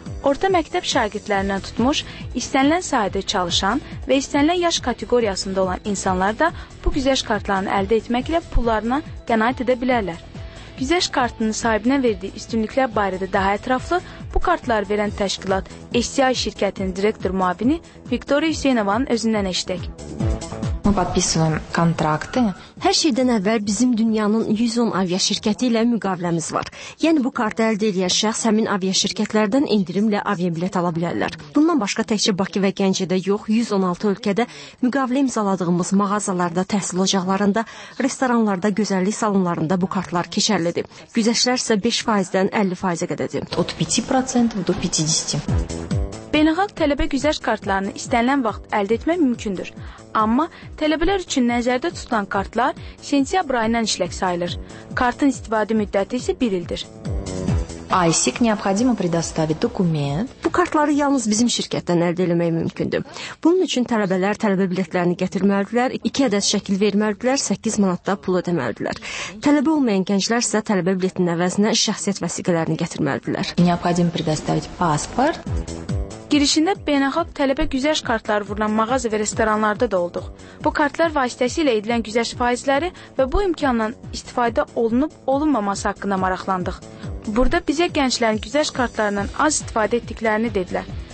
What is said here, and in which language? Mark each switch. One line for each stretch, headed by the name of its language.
Azerbaijani: Orta məktəb şagirdlərindən tutmuş, istənilən sahədə çalışan və istənilən yaş kateqoriyasında olan insanlar da bu güzəşt kartlarını əldə etməklə pullarına qənaət edə bilərlər. Güzəşt kartının sahibinə verdiyi üstünlüklər barədə daha ətraflı bu kartları verən təşkilat HCI şirkətinin direktor müavini Viktoriya Hüseynovanın özündən eşitək.
Russian: Мы подписываем контракты.
Azerbaijani: Hər şeydən əvvəl bizim dünyanın 110 aviaşirkəti ilə müqaviləmiz var. Yəni, bu kartı əldə edən şəxs həmin aviaşirkətlərdən indirimlə aviabilet ala bilərlər. Bundan başqa təkcə Bakı və Gəncədə yox, 116 ölkədə müqavilə imzaladığımız mağazalarda, təhsil ocaqlarında, restoranlarda, gözəllik salonlarında bu kartlar keçərlidir. Güzəşlər isə 5%-dən 50%-ə qədədir.
Russian: От 5% до 50%.
Azerbaijani: Beynəlxalq tələbə güzəşt kartlarını istənilən vaxt əldə etmək mümkündür. Amma tələbələr üçün nəzərdə tutulan kartlar sentyabr ayından işlək sayılır. Kartın istifadə müddəti isə 1 ildir.
Russian: ISIC необходимо предоставить документ.
Azerbaijani: Bu kartları yalnız bizim şirkətdən əldə etmək mümkündür. Bunun üçün tələbələr tələbə biletlərini gətirməlidirlər, 2 ədəd şəkil verməlidirlər, 8 manatda pul ödəməlidirlər. Tələbə olmayan gənclər isə tələbə biletinin əvəzinə şəxsiyyət vəsiqələrini gətirməlidirlər.
Russian: Необходимо предоставить паспорт.
Azerbaijani: Girişində beynəlxalq tələbə güzəşt kartları vurulan mağaza və restoranlarda da olduq. Bu kartlar vasitəsilə edilən güzəşt faizləri və bu imkandan istifadə olunub-olunmaması haqqında maraqlandıq. Burada bizə gənclərin güzəşt kartlarından az istifadə etdiklərini dedilər.